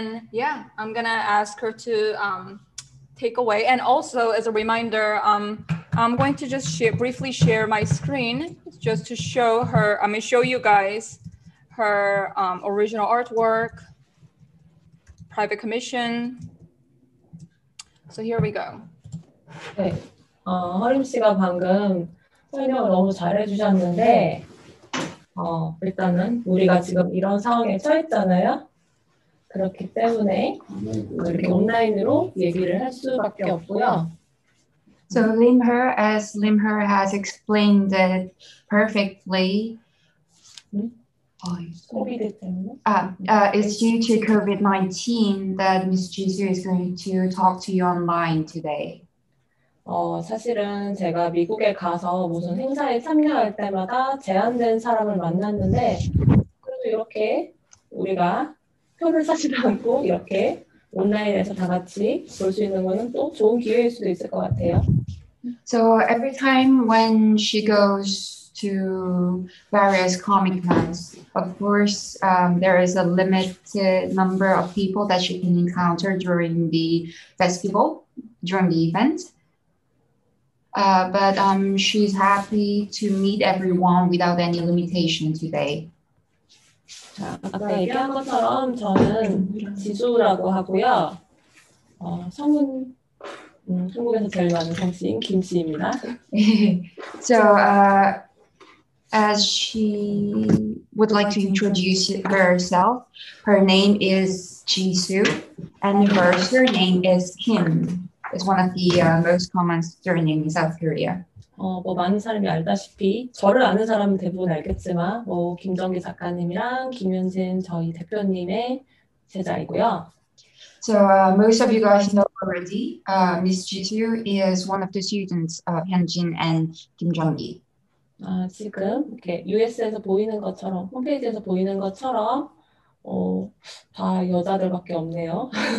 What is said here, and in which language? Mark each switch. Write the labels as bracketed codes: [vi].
[en] Yeah, I'm gonna ask her to take away. And also, as a reminder, I'm going to just briefly share my screen just to show her. I mean, show you guys her original artwork, private commission. So here we go. [ko] 네, 허림 씨가 방금 설명을 너무 잘해주셨는데, 일단은 우리가 지금 이런 상황에 처했잖아요. 그렇기 때문에 이렇게 온라인으로 얘기를 할 수밖에 없고요. [en] So Limher, as Limher has explained it perfectly, it's due to COVID-19 that Ms. Jisu is going to talk to you online today. [ko] 사실은 제가 미국에 가서 무슨 행사에 참여할 때마다 제한된 사람을 만났는데 그래도 이렇게 우리가 표를 사지도 않고 이렇게 온라인에서 다 같이 볼 수 있는 거는 또 좋은 기회일 수도 있을 것 같아요. [en] So every time when she goes to various comic cons, of course, there is a limited number of people that she can encounter during the festival, during the event. But she's happy to meet everyone without any limitation today. [ko] 아까 얘기한 것처럼 저는 지수라고 하고요. 한국에서 제일 많은 성씨인 김씨입니다. [en] So, as she would like to introduce herself, her name is Jisu, and her surname is Kim. It's one of the most common surnames in South Korea. [ko] 뭐 많은 사람이 알다시피 저를 아는 사람은 대부분 알겠지만 뭐 김정기 작가님이랑 김현진 저희 대표님의 제자이고요. [en] So most of you guys know already, Ms. Jisu is one of the students of Hyunjin and Kim Jong-gi. [ko] 지금 이렇게 US에서 보이는 것처럼 홈페이지에서 보이는 것처럼 다 여자들밖에 없네요.